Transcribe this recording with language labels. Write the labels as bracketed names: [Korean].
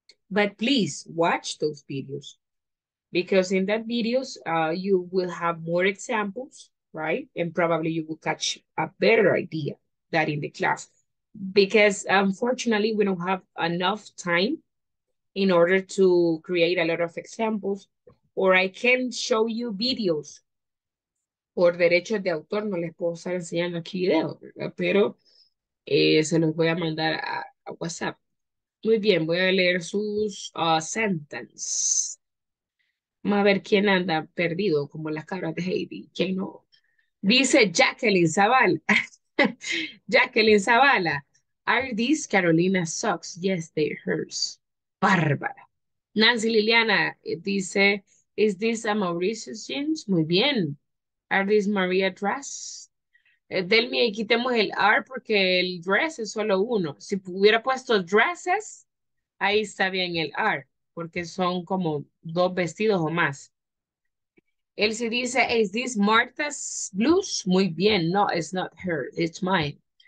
[English] But please watch those videos, because in that videos, you will have more examples, right? And probably you will catch a better idea than in the class, because unfortunately we don't have enough time in order to create a lot of examples, or I can show you videos. [Spanish] Por derechos de autor no les puedo estar enseñando aquí video, ¿verdad? Pero se los voy a mandar a WhatsApp. Muy bien, voy a leer sus sentences. Vamos a ver quién anda perdido, como las cabras de Heidi. ¿Quién no? Dice Jacqueline Zavala. Jacqueline Zavala. [English] Are these Carolina socks? Yes, they're hers. Bárbara. Nancy Liliana dice, is this a Mauricio's jeans? [Spanish] Muy bien. [English] Are these Maria dress? [Spanish] Delmi, quitemos el R porque el dress es solo uno. Si hubiera puesto dresses, ahí está bien el R, porque son como dos vestidos o más. [English] Elsie dice, is this Martha's blues? [Spanish] Muy bien, [English] no, it's not her, it's mine.